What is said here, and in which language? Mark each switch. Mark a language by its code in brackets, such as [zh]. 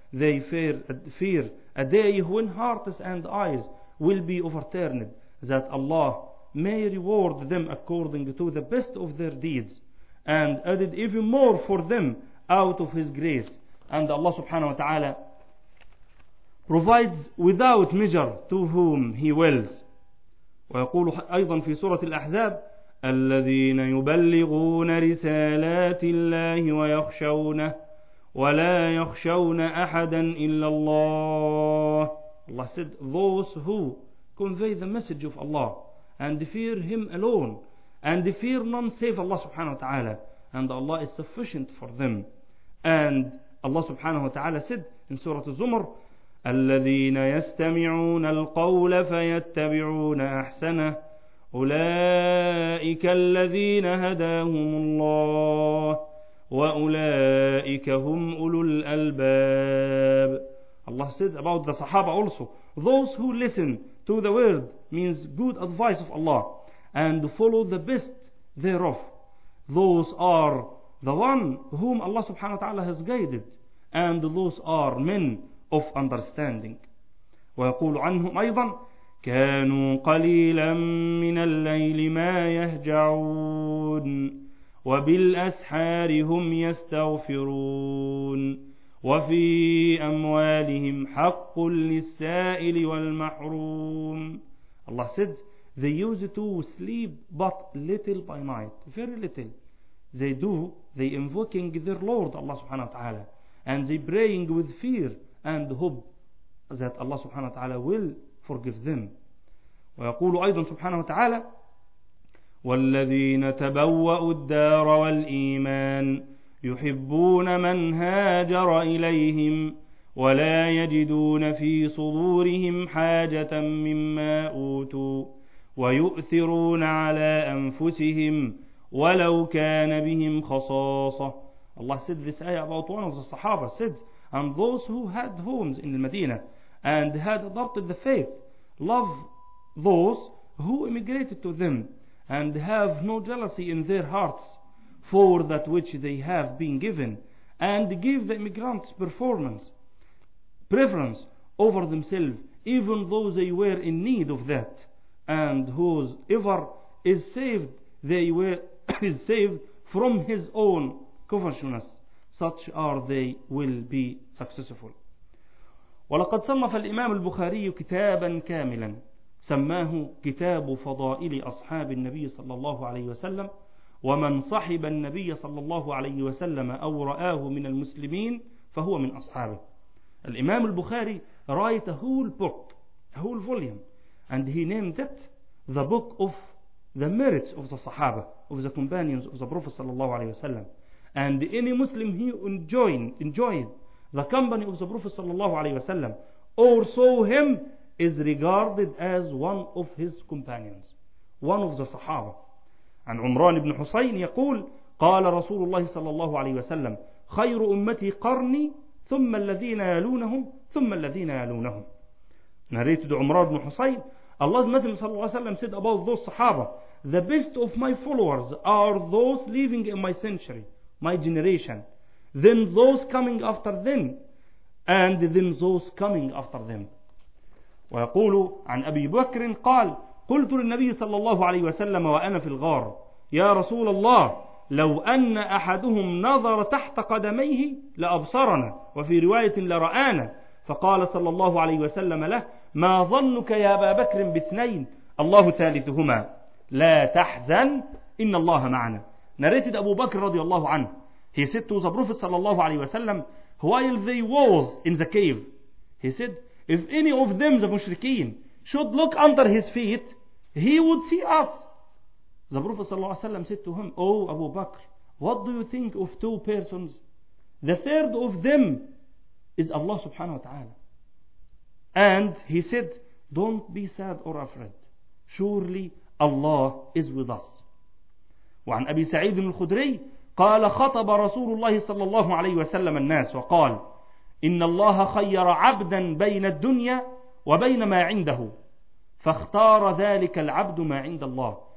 [en] They fear a day when hearts and eyes will be overturned, that Allah may reward them according to the best of their deeds and added even more for them out of His grace. And Allah subhanahu wa ta'ala provides without measure to whom He wills. [ar] ويقول أيضا في سورة الأحزاب الذين يبلغون رسالات الله ويخشونه ولا يخشون أحدا إلا الله. [en] Allah said those who convey the message of Allah and fear Him alone and fear none save Allah subhanahu wa ta'ala, and Allah is sufficient for them. And Allah subhanahu wa ta'ala said in Surah Az-Zumar [ar] الذين يستمعون القول فيتبعون أحسنه أولئك الذين هداهم الله وأولئك هم أولو الألباب. [en] Allah said about the Sahaba also, those who listen to the word, means good advice of Allah, and follow the best thereof, those are the one whom Allah subhanahu wa ta'ala has guided, and those are men of understanding. [ar] ويقول عنهم أيضا كانوا قليلا من الليل ما يهجعون وبالأسحار هم يستغفرون وفي أموالهم حق للسائل والمحروم. [en] Allah said they use it to sleep but little by night, very little. They do, they invoking their Lord Allah subhanahu wa ta'ala, and they praying with fear and hope that Allah subhanahu wa ta'ala will forgive them. [ar] ويقول أيضا سبحانه وتعالى والذين تبوأوا الدار والإيمان يحبون من هاجر إليهم ولا يجدون في صدورهم حاجة مما أوتوا ويؤثرون على أنفسهم ولو كان بهم خصاصة. [en] Allah said this ayah about one of the Sahaba said, and those who had homes in the Medina and had adopted the faith love those who immigrated to them and have no jealousy in their hearts for that which they have been given, and give the immigrants performance, preference over themselves, even though they were in need of that, and whoever is saved, they were is saved from his own covetousness, such are they will be successful. [ar] ولقد صنف الإمام البخاري كتابا كاملا سماه كتاب فضائل أصحاب النبي صلى الله عليه وسلم ومن صحب النبي صلى الله عليه وسلم أو رآه من المسلمين فهو من أصحابه. [en] الإمام البخاري write a whole book, a whole volume, and he named it the book of the merits of the Sahaba, of the companions of the Prophet [ar] صلى الله عليه وسلم, [en] and any Muslim he enjoyed the company of the Prophet صلى الله عليه وسلم or saw him is regarded as one of his companions, one of the Sahaba. [ar] عن عمران بن حسين يقول قال رسول الله صلى الله عليه وسلم خير أمتي قرني ثم الذين يلونهم ثم الذين يلونهم. [en] Narrated عمران بن حسين, Allah's Messenger [ar] صلى الله عليه وسلم [en] said about those Sahaba, the best of my followers are those living in my century, my generation, then those coming after them, and then those coming after them. [ar] ويقول عن أبي بكر قال قلت للنبي صلى الله عليه وسلم وأنا في الغار يا رسول الله لو أن أحدهم نظر تحت قدميه لأبصرنا, وفي رواية لرآنا, فقال صلى الله عليه وسلم له ما ظنك يا أبا بكر باثنين الله ثالثهما لا تحزن إن الله معنا. [en] Narrated أبو بكر [ar] رضي الله عنه, [en] he said to the Prophet [ar] صلى الله عليه وسلم [en] while they was in the cave, he said if any of them, the mushrikeen, should look under his feet, he would see us. The Prophet ﷺ said to him, oh Abu Bakr, what do you think of two persons? The third of them is Allah subhanahu wa ta'ala. And he said, don't be sad or afraid. Surely Allah is with us. [ar] وعن أبي سعيد الخدري قال خطب رسول الله صلى الله عليه وسلم الناس وقال إن الله خير عبدا بين الدنيا وبين ما عنده فاختار ذلك العبد ما عند الله.